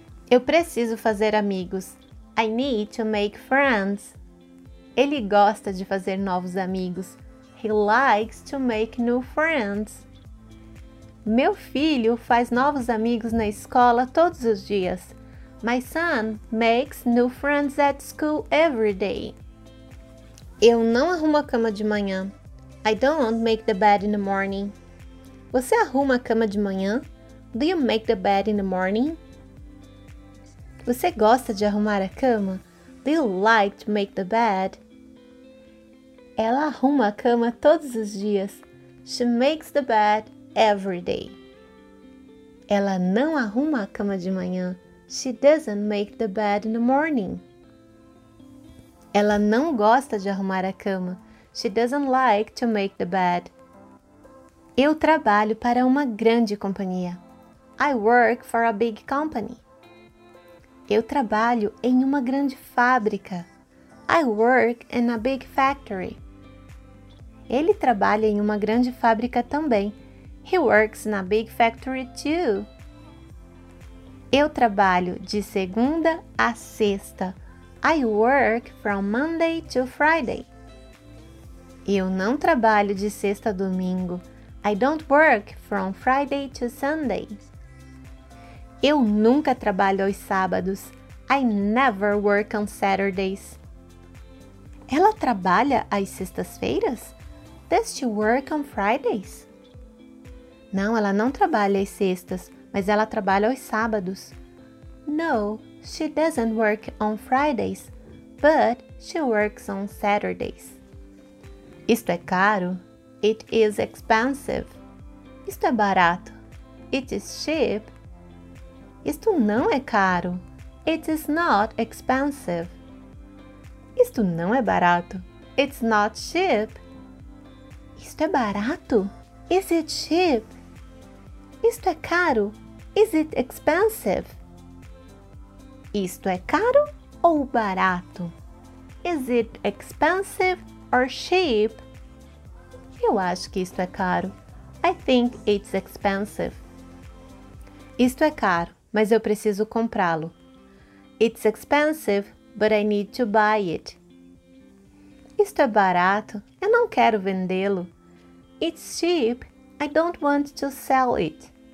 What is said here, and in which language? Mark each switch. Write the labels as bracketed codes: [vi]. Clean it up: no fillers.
[pt] Eu preciso fazer amigos. [en] I need to make friends. [pt] Ele gosta de fazer novos amigos. [en] He likes to make new friends. [pt] Meu filho faz novos amigos na escola todos os dias. [en] My son makes new friends at school every day. [pt] Eu não arrumo a cama de manhã. [en] I don't make the bed in the morning. [pt] Você arruma a cama de manhã? [en] Do you make the bed in the morning? [pt] Você gosta de arrumar a cama? [en] Do you like to make the bed? [pt] Ela arruma a cama todos os dias. [en] She makes the bed every day. [pt] Ela não arruma a cama de manhã. [en] She doesn't make the bed in the morning. [pt] Ela não gosta de arrumar a cama. [en] She doesn't like to make the bed. [pt] Eu trabalho para uma grande companhia. [en] I work for a big company. [pt] Eu trabalho em uma grande fábrica. [en] I work in a big factory. [pt] Ele trabalha em uma grande fábrica também. [en] He works in a big factory too. [pt] Eu trabalho de segunda a sexta. [en] I work from Monday to Friday. [pt] Eu não trabalho de sexta a domingo. [en] I don't work from Friday to Sunday. [pt] Eu nunca trabalho aos sábados. [en] I never work on Saturdays. [pt] Ela trabalha às sextas-feiras? [en] Does she work on Fridays? [pt] Não, ela não trabalha às sextas, mas ela trabalha aos sábados. [en] No, she doesn't work on Fridays, but she works on Saturdays. [pt] Isto é caro? [en] It is expensive. [pt] Isto é barato? [en] It is cheap. [pt] Isto não é caro? [en] It is not expensive. [pt] Isto não é barato? [en] It's not cheap. [pt] Isto é barato? [en] Is it cheap? [pt] Isto é caro? [en] Is it expensive? [pt] Isto é caro ou barato? [en] Is it expensive or cheap? [pt] Eu acho que isto é caro. [en] I think it's expensive. [pt] Isto é caro, mas eu preciso comprá-lo. [en] It's expensive, but I need to buy it. [pt] Isto é barato, eu não quero vendê-lo. [en] It's cheap, I don't want to sell it.